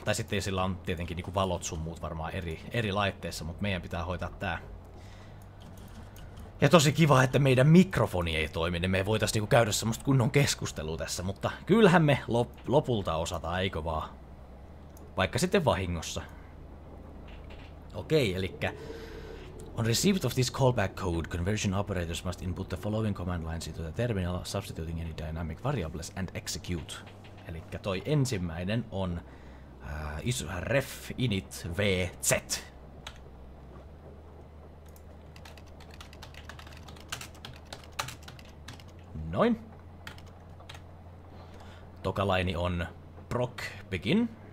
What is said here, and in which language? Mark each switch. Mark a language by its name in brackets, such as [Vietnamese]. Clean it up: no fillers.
[Finnish] Tai sitten sillä on tietenkin niin kuin valot sun muut varmaan eri laitteissa, mutta meidän pitää hoitaa tää. Ja tosi kiva, että meidän mikrofoni ei toimi, niin me ei voitais niin kuin käydä semmoista kunnon keskustelua tässä, mutta kyllähän me lopulta osataan, eikö vaan? Vaikka sitten vahingossa. Okei, elikkä on [English] received of this callback code, conversion operators must input the following command lines into the terminal, substituting any dynamic variables and execute. [Finnish] Elikkä toi ensimmäinen on ref init vz. Noin. Tokalaini on proc begin.